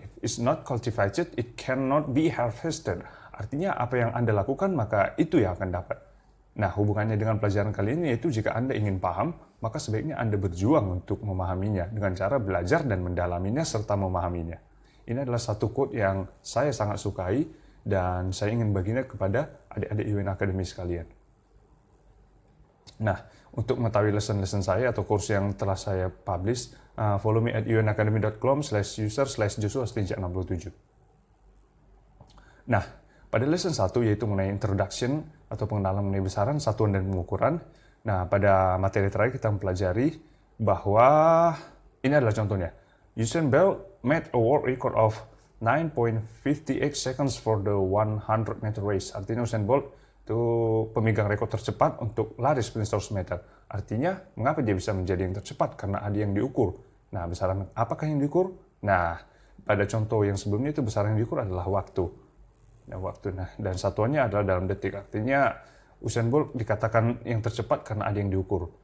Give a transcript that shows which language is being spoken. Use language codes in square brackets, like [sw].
[en] If it's not cultivated, it cannot be harvested. [id] Artinya, apa yang Anda lakukan, maka itu yang akan dapat. Nah, hubungannya dengan pelajaran kali ini yaitu jika Anda ingin paham, maka sebaiknya Anda berjuang untuk memahaminya dengan cara belajar dan mendalaminya serta memahaminya. Ini adalah satu quote yang saya sangat sukai dan saya ingin baginya kepada adik-adik UN Academy sekalian. Nah, untuk mengetahui lesson-lesson saya atau kurs yang telah saya publish, [en] follow me at unacademy.com/user/joshua-67. [id] Nah, pada lesson 1 yaitu mengenai introduction atau pengenalan mengenai besaran, satuan, dan pengukuran. Nah, pada materi terakhir kita mempelajari bahwa ini adalah contohnya. [en] Usain Bolt made a world record of 9.58 seconds for the 100 meter race. [id] Artinya Usain Bolt itu pemegang rekor tercepat untuk lari 100 meter. Artinya, mengapa dia bisa menjadi yang tercepat? Karena ada yang diukur. Nah, besaran apakah yang diukur? Nah, pada contoh yang sebelumnya itu besaran yang diukur adalah waktu. Nah, waktu. Nah, dan satuannya adalah dalam detik. Artinya, Usain Bolt dikatakan yang tercepat karena ada yang diukur.